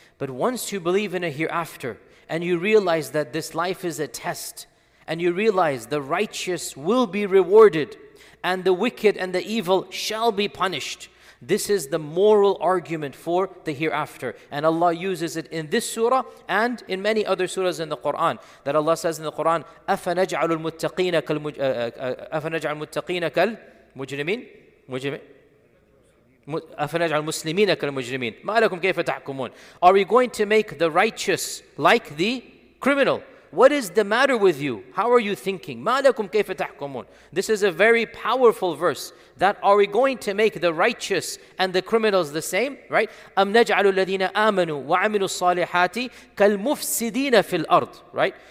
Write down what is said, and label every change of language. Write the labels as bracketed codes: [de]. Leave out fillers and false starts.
[en] But once you believe in a hereafter, and you realize that this life is a test, and you realize the righteous will be rewarded, and the wicked and the evil shall be punished. This is the moral argument for the hereafter. And Allah uses it in this surah and in many other surahs in the Quran. That Allah says in the Quran, [ar] أَفَنَجْعَلُ الْمُتَّقِينَ كَالْمُجْرِمِينَ أَفَنَجْعَلُ الْمُسْلِمِينَ كَالْمُجْرِمِينَ مَا لَكُمْ كَيْفَ تَحْكُمُونَ. [en] Are we going to make the righteous like the criminal? What is the matter with you? How are you thinking? [ar] مَا لَكُمْ كَيْفَ تَحْكُمُونَ. [en] This is a very powerful verse. That are we going to make the righteous and the criminals the same, right? [ar] أَمْ نَجْعَلُ الَّذِينَ آمَنُوا وَعَمِلُوا الصَّالِحَاتِ كَالْمُفْسِدِينَ فِي الْأَرْضِ, right?